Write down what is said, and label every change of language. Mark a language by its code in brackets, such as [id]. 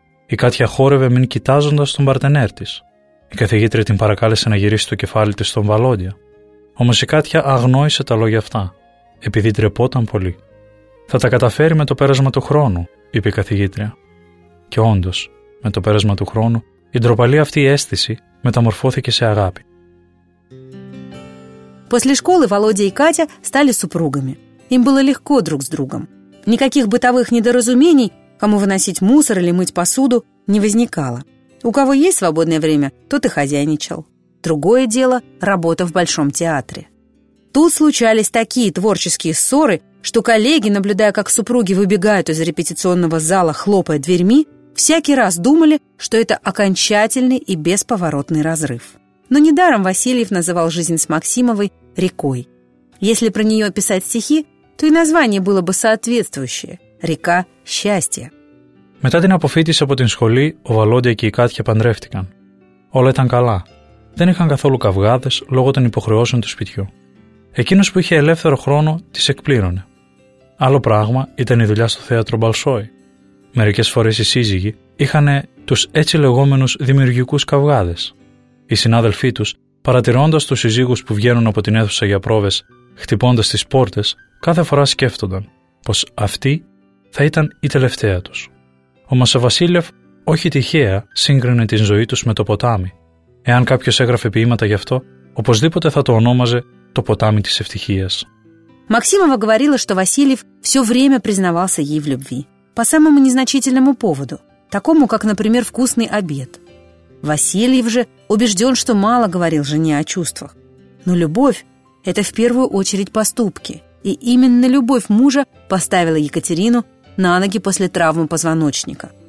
[el] Η Κάτια χόρευε μην κοιτάζοντας τον παρτενέρ της. Η καθηγήτρια την παρακάλεσε να γυρίσει το κεφάλι της στον Βαλόντια. Όμως η Κάτια αγνόησε τα λόγια αυτά, επειδή ντρεπόταν πολύ. «Θα τα καταφέρει με το πέρασμα του χρόνου», είπε η καθηγήτρια. Και όντως, με το πέρασμα του χρόνου, η ντροπαλή αυτή αίσθηση μεταμορφώθηκε σε αγάπη. [ru] После школы Володя и Катя стали супругами. Им было легко друг с другом. Никаких бытовых недоразумений, кому выносить мусор или мыть посуду, не возникало. У кого есть свободное время, тот и хозяйничал. Другое дело – работа в Большом театре. Тут случались такие творческие ссоры, что коллеги, наблюдая, как супруги выбегают из репетиционного зала, хлопая дверьми, всякий раз думали, что это окончательный и бесповоротный разрыв. Но недаром Васильев называл жизнь с Максимовой «рекой». Если про нее писать стихи, то и название было бы соответствующее – «река счастья». [el] Μετά την αποφύτηση από την σχολή, ο Βαλόντια και η Κάτια παντρεύτηκαν. Όλα ήταν καλά. Δεν είχαν καθόλου καυγάδες λόγω των υποχρεώσεων του σπιτιού. Εκείνος που είχε ελεύθερο χρόνο τις εκπλήρωνε. Άλλο πράγμα ήταν η δουλειά στο θέατρο Μπαλσόι. Μερικές φορές οι σύζυγοι είχαν τους έτσι λεγόμενους δημιουργικούς καυγάδες. Οι συνάδελφοί τους, παρατηρώντας τους σύζυγους που βγαίνουν από την αίθουσα για πρόβες, χτυπώντας τις πόρτες, κάθε φορά σκέφτονταν πως αυτή θα ήταν η τελευταία τους. Ο Μασαβασίλεφ, όχι τυχαία, σύγκρινε την ζωή τους με το ποτάμι. Εάν κάποιος έγραφε ποίηματα γι' αυτό, οπωσδήποτε θα το ονόμαζε «Το ποτάμι της ευτυχίας». [ru] Максимова говорила, что Васильев все время признавался ей в любви. По самому незначительному поводу. Такому, как, например, вкусный обед. Васильев же убежден, что мало говорил жене о чувствах. Но любовь – это в первую очередь поступки. И именно любовь мужа поставила Екатерину на ноги после травмы позвоночника.